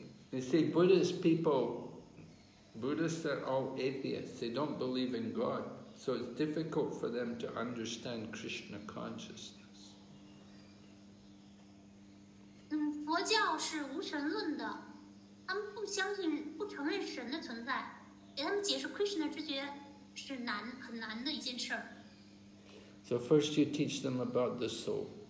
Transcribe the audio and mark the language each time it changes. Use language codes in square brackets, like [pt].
[en] You see, Buddhist people, Buddhists are all atheists. They don't believe in God. So it's difficult for them to understand Krishna consciousness. [zh] 佛教是无神论的，他们不相信、不承认神的存在，给他们解释Krishna之觉是很难的一件事。 [en] So first you teach them about the soul.